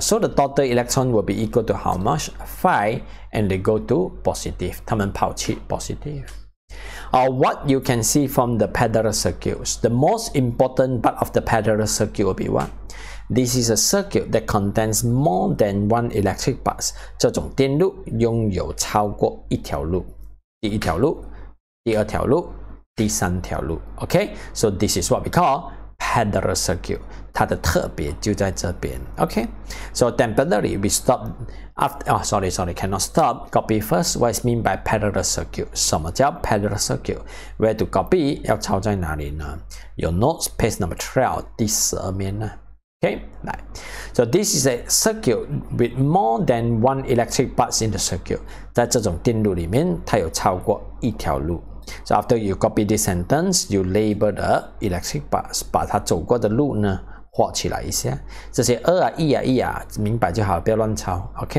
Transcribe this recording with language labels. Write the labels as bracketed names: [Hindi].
[English] So the total electron will be equal to how much? 5, and they go to positive. [Chinese] 他们跑去 [English] positive. What you can see from the parallel circuits, the most important part of the parallel circuit will be what? This is a circuit that contains more than one electric path. [Chinese] 这种电路拥有超过一条路。第一条路，第二条路，第三条路。 [English] Okay, so this is what we call... Parallel circuit, [Chinese] 它的特别就在这边。 [English] Okay, so temporarily we stop after. Oh, sorry, cannot stop. Copy first. What is mean by parallel circuit? [Chinese] 什么叫 [English] parallel circuit? Where to copy? [Chinese] 要抄在哪里呢？ [English] Your notes, page number 12, [Chinese] 第十二面呢。Okay, 来。 [English] So this is a circuit with more than one electric path in the circuit. [Chinese] 在这种电路里面，它有超过一条路。 [English] So after you copy this sentence, you label the electric path, [Chinese] 把它走过的路呢画起来一下。这些二啊一啊一啊，明白就好，不要乱抄。